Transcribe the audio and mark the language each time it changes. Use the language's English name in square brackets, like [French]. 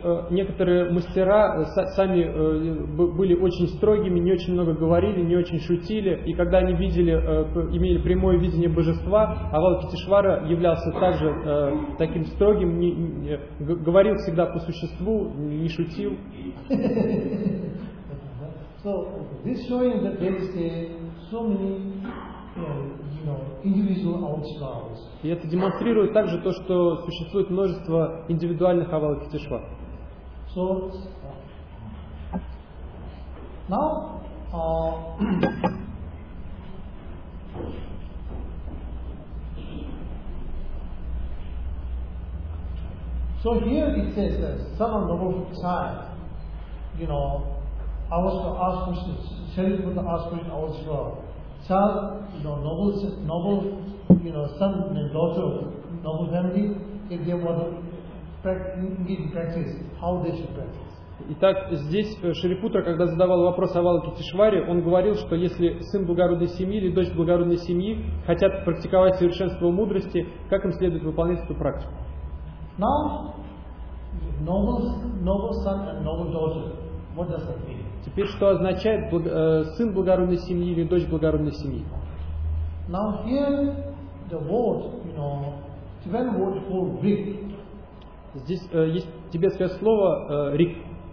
[Russian] Некоторые мастера сами были очень строгими, не очень много говорили, не очень шутили, и когда они видели, имели прямое видение божества, Авалокитешвара являлся также таким строгим, говорил всегда по существу, не шутил. [English] So this showing that there is so many, you know, individual Avalokiteshvaras. [Russian] И это демонстрирует также то, что существует множество индивидуальных Авалокитешвар. [English] So now So here it says that someone of the time, you know, I was to ask questions, Shariputta asked questions, I was to tell, you know, noble, you know, son and daughter of noble family, if they want to practice, how they should practice. [Russian] Итак, здесь Шарипутра, когда задавал вопрос о Авалокитешваре, он говорил, что если сын благородной семьи или дочь благородной семьи хотят практиковать совершенство мудрости, как им следует выполнять эту практику? [English] Now, noble son and noble daughter, what does that mean? [Russian] Теперь, что означает сын благородной семьи или дочь благородной семьи? [English] Now here the word, you know, Tibetan word for rik. [Russian] Здесь есть тибетское слово рик.